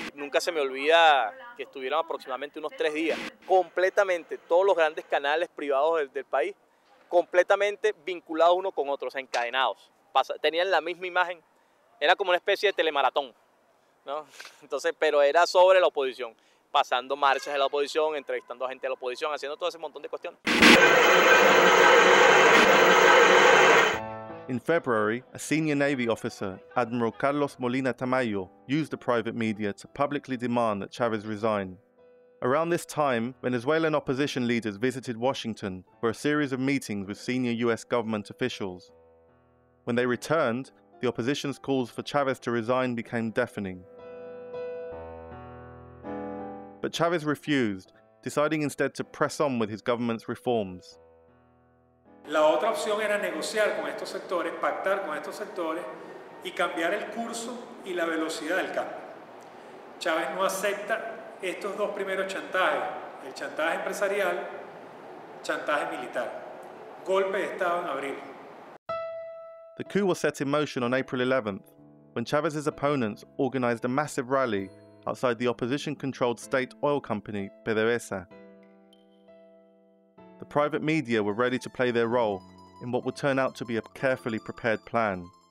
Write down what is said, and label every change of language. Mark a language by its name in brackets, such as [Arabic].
[Spanish] Nunca se me olvida que estuvieron aproximadamente unos 3 días, completamente, todos los grandes canales privados del país, completamente vinculados uno con otro, o sea, encadenados. Tenían la misma imagen, era como una especie de telemaratón, ¿no? Entonces, pero era sobre la oposición, pasando marchas de la oposición, entrevistando a gente de la oposición, haciendo todo ese montón de cuestiones. [English] In February, a senior Navy officer, Admiral Carlos Molina Tamayo, used the private media to publicly demand that Chavez resign. Around this time, Venezuelan opposition leaders visited Washington for a series of meetings with senior U.S. government officials. When they returned, the opposition's calls for Chavez to resign became deafening. But Chavez refused, deciding instead to press on with his government's reforms. [Spanish] La otra opción era negociar con estos sectores, pactar con estos sectores y cambiar el curso y la velocidad del cambio. Chávez no acepta estos dos primeros chantajes, el chantaje empresarial, chantaje militar. Golpe de Estado en abril. [English] The coup was set in motion on April 11th, when Chávez's opponents organized a massive rally outside the opposition-controlled state oil company, PDVSA. The private media were ready to play their role in what would turn out to be a carefully prepared plan.